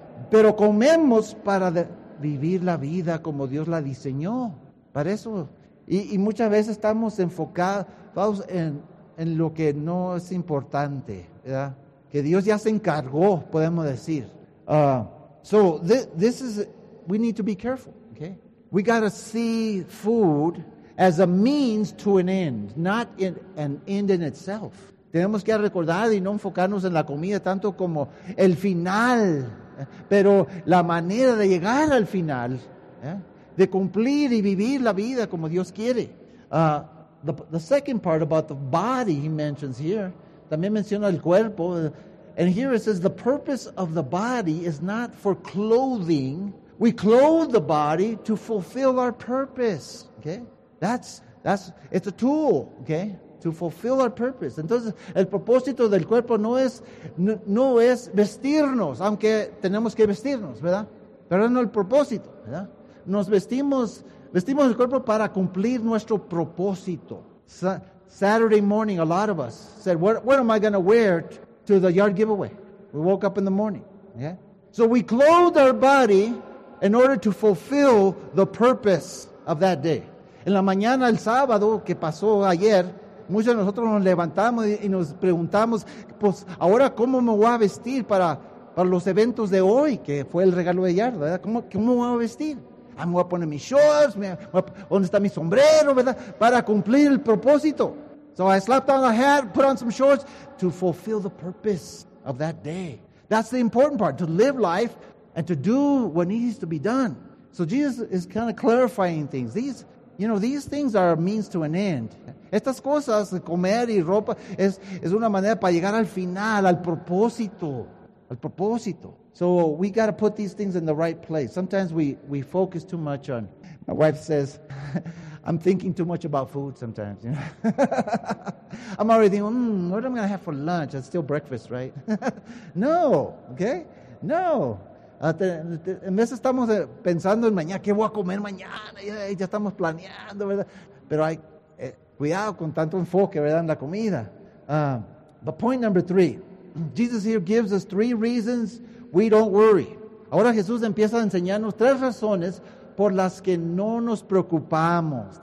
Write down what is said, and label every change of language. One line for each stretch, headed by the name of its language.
Spanish: Pero comemos para vivir la vida como Dios la diseñó. Para eso. Y muchas veces estamos enfocados en lo que no es importante, ¿verdad? Que Dios ya se encargó, podemos decir.
English: So this is, we need to be careful, okay? We got to see food as a means to an end, not in, an end in itself.
Spanish: Tenemos que recordar y no enfocarnos en la comida tanto como el final, pero la manera de llegar al final, de cumplir y vivir la vida como Dios quiere.
English: The second part about the body he mentions here,
Spanish: también menciona el cuerpo.
English: And here it says, the purpose of the body is not for clothing. We clothe the body to fulfill our purpose. Okay? That's it's a tool, okay? To fulfill our purpose.
Spanish: Entonces, el propósito del cuerpo no es vestirnos, aunque tenemos que vestirnos, ¿verdad? Pero no el propósito, ¿verdad? Nos vestimos el cuerpo para cumplir nuestro propósito.
English: Saturday morning, a lot of us said, what am I going to wear to the yard giveaway? We woke up in the morning. Yeah. So we clothed our body in order to fulfill the purpose of that day.
Spanish: En la mañana, el sábado que pasó ayer, muchos de nosotros nos levantamos y nos preguntamos, pues ahora cómo me voy a vestir para los eventos de hoy, que fue el regalo de yard, ¿verdad? ¿Cómo me voy a vestir?
English: I'm going to put on my shorts,
Spanish: ¿dónde está mi sombrero, verdad? Para cumplir el propósito.
English: So I slapped on a hat, put on some shorts to fulfill the purpose of that day. That's the important part, to live life and to do what needs to be done. So Jesus is kind of clarifying things. These things are a means to an end.
Spanish: Estas cosas, comer y ropa, es una manera para llegar al final, al propósito. Al propósito.
English: So we got to put these things in the right place. Sometimes we focus too much on, my wife says, I'm thinking too much about food sometimes. You know? I'm already thinking, what am I going to have for lunch? It's still breakfast, right? No, okay? No.
Spanish: En vez estamos pensando en mañana, ¿qué voy a comer mañana? Ya estamos planeando, ¿verdad? Pero hay cuidado con tanto enfoque, ¿verdad? En la comida.
English: But point number three. Jesus here gives us three reasons we don't worry.
Spanish: Ahora Jesús empieza a enseñarnos tres razones por las que no nos preocupamos.